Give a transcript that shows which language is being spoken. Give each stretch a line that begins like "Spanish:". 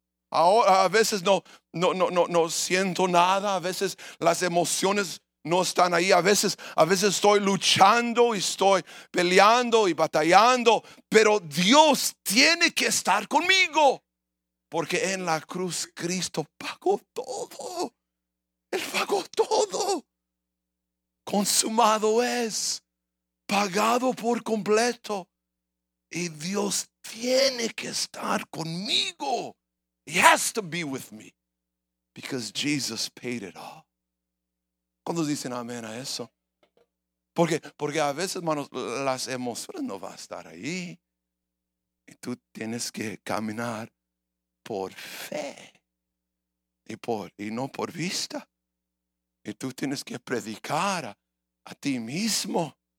Spanish: Ahora, a veces no siento nada, a veces las emociones no están ahí, a veces estoy luchando y estoy peleando y batallando, pero Dios tiene que estar conmigo, porque en la cruz Cristo pagó todo, Él pagó todo, consumado es, pagado por completo, y Dios tiene que estar conmigo.
English: He has to be with me because Jesus paid it all.
Spanish: ¿Cuántos dicen amén a eso? Porque a veces, hermanos, las emociones no van a estar ahí. Y tú tienes que caminar por fe y no por vista. Y tú tienes que predicar a ti mismo.